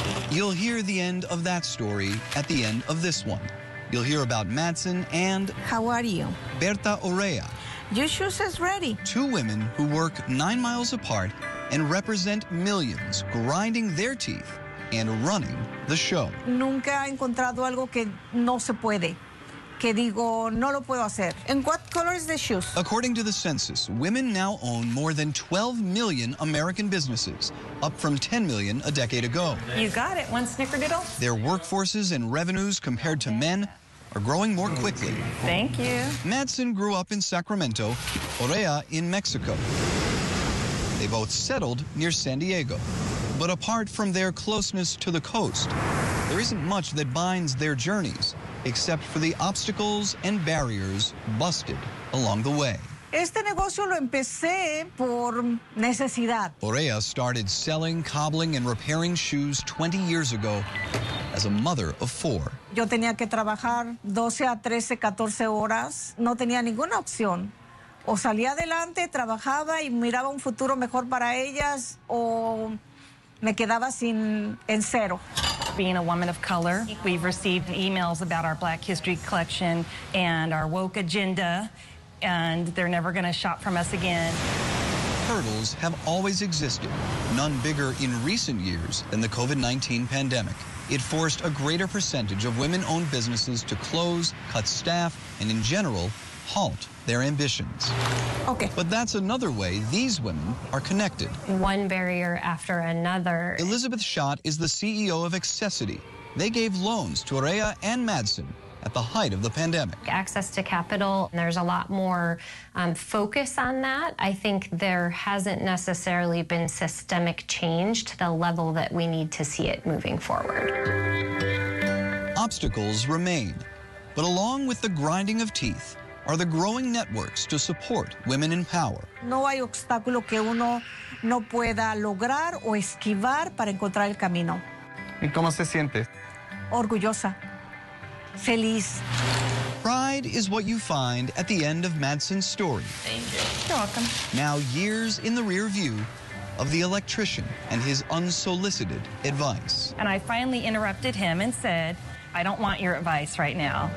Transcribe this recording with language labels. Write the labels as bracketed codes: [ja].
[en] You'll hear the end of that story at the end of this one. You'll hear about Madsen and... How are you? Berta Orea. Your shoes is ready. Two women who work 9 miles apart and represent millions grinding their teeth and running the show. [es] Nunca he encontrado algo que no se puede. Que digo, no lo puedo hacer. [en] And what color is the shoes? According to the census, women now own more than 12 million American businesses, up from 10 million a decade ago. You got it, one snickerdoodle. Their workforces and revenues compared to men are growing more quickly. Thank you. Madsen grew up in Sacramento, Orea in Mexico. They both settled near San Diego. But apart from their closeness to the coast, there isn't much that binds their journeys, except for the obstacles and barriers busted along the way. [es] Este negocio lo empecé por necesidad. [en] Orea started selling, cobbling, and repairing shoes 20 years ago as a mother of four. [es] Yo tenía que trabajar 12 a 13, 14 horas. No tenía ninguna opción. O salía adelante, trabajaba y miraba un futuro mejor para ellas, o me quedaba sin en cero. [en] Being a woman of color, we've received emails about our Black History Collection and our woke agenda, and they're never going to shop from us again. Hurdles have always existed, none bigger in recent years than the COVID-19 pandemic. It forced a greater percentage of women-owned businesses to close, cut staff, and in general, halt their ambitions. Okay. But that's another way these women are connected. One barrier after another. Elizabeth Schott is the CEO of Accessity. They gave loans to Orea and Madsen at the height of the pandemic. Access to capital, there's a lot more focus on that. I think there hasn't necessarily been systemic change to the level that we need to see it moving forward. Obstacles remain, but along with the grinding of teeth, are the growing networks to support women in power. [es] No hay obstáculo que uno no pueda lograr o esquivar para encontrar el camino. ¿Y cómo se siente? Orgullosa. Feliz. [en] Pride is what you find at the end of Madsen's story. Thank you. You're welcome. Now years in the rear view of the electrician and his unsolicited advice. And I finally interrupted him and said, I don't want your advice right now.